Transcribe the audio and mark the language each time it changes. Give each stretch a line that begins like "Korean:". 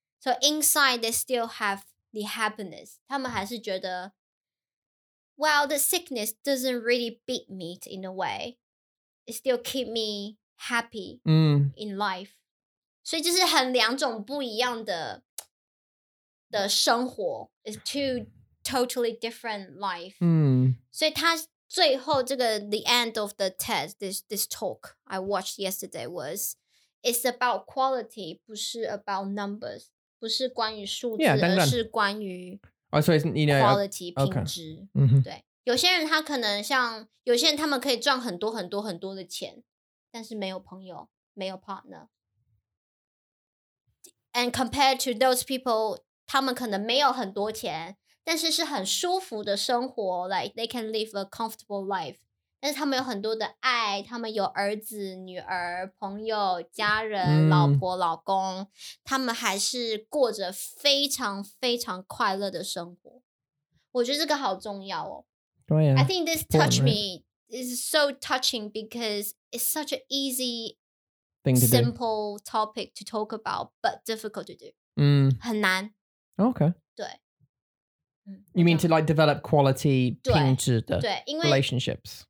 English: So inside, they still have the happiness,
Chinese: 他们还是觉得,
English: well, the sickness doesn't really beat me in a way. It still keep me happy in life.
Chinese: 所以就是很两种不一样的生活.
English: It's two totally different life.
Chinese: 所以他最后这个
English: the end of the TED, this talk I watched yesterday was, It's about quality,
Chinese: 不是
English: about numbers,
Chinese: 不是关于数字 而是关于
English: quality,
Chinese: 品质。对，有些人他可能像有些人他们可以赚很多很多很多的钱，但是没有朋友，没有 partner。
English: And compared to those people,
Chinese: 他们可能没有很多钱，但是是很舒服的生活，
English: like they can live a comfortable life.
Chinese: 但是他们有很多的爱，他们有儿子、女儿、朋友、家人、老婆、老公，他们还是过着非常非常快乐的生活。我觉得这个好重要哦。对啊。
English: I think this touch me is so touching because it's such an easy, simple topic to talk about, but difficult to do.
Chinese: 很难。
English: Okay.
Chinese: 对。
English: You mean to like develop quality 品质的 relationships?